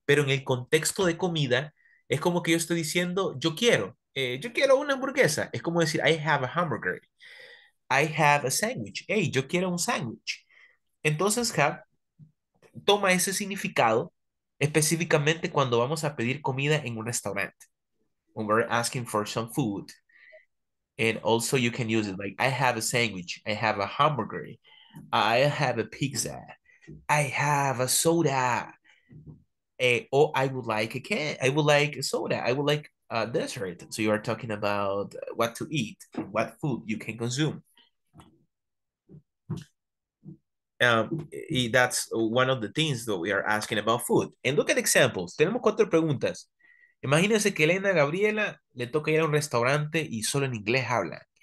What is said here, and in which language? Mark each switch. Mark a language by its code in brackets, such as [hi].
[es] Pero en el contexto de comida, es como que yo estoy diciendo, yo quiero una hamburguesa. Es como decir, [en] I have a hamburger. I have a sandwich. [es] Hey, yo quiero un sandwich. Entonces, have toma ese significado específicamente cuando vamos a pedir comida en un restaurante. [en] When we're asking for some food. And also you can use it like, I have a sandwich. I have a hamburger. I have a pizza. I have a soda. Or I would like a can. I would like a soda. I would like a dessert. So you are talking about what to eat, what food you can consume. That's one of the things that we are asking about food. And look at examples. [es] Tenemos cuatro preguntas. Imagínense que Elena Gabriela le toca ir a un restaurante y solo en inglés habla.